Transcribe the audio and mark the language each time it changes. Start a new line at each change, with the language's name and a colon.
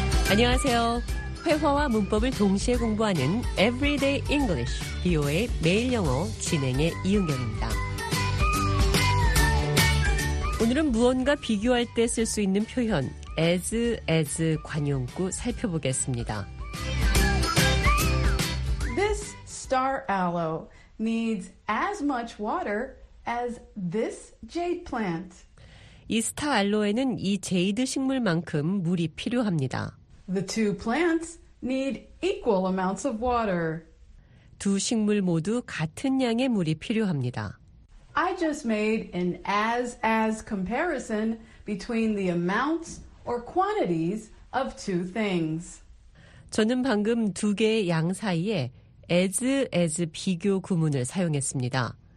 Korean: 안녕하세요. 회화와 문법을 동시에 공부하는 Everyday English, VOA 매일 영어 진행의 이은경입니다. 오늘은 무언가 비교할 때 쓸 수 있는 표현 as 관용구 살펴보겠습니다.
English: This star aloe needs as much water as this jade plant.
Korean: 이 스타 알로에는 이 제이드 식물만큼 물이 필요합니다.
English: The two plants need equal amounts of water.
Korean: 두 식물 모두 같은 양의 물이 필요합니다.
English: I just made an as-as comparison between the amounts or quantities of two things.
Korean: 저는 방금 두 개의 양 사이에 as-as 비교 구문을 사용했습니다.